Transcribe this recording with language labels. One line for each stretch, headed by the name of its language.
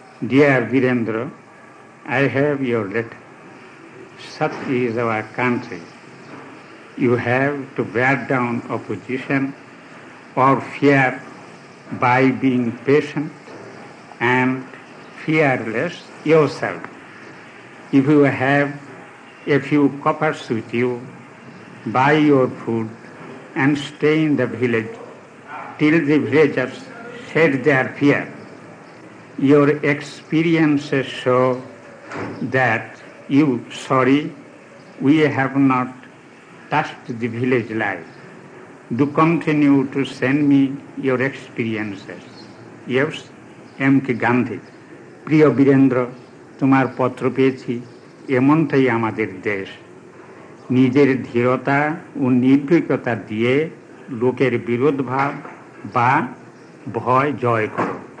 English: Dear Birendra, I have your letter, such is our country, you have to bear down opposition or fear by being patient and fearless yourself. If you have a few coppers with you, buy your food and stay in the village till the villagers shed their fear. Your experiences show that you sorry we have not touched the village life. Do continue to send me your experiences. Yours, M.K. Gandhi.
Bangla: প্রিয় বীরেন্দ্র, তোমার পত্র পেয়েছি, এমনটাই আমাদের দেশ। নিজের ধীরতা ও নির্ভীকতা দিয়ে লোকের বিরোধ ভাব বা ভয় জয় করো।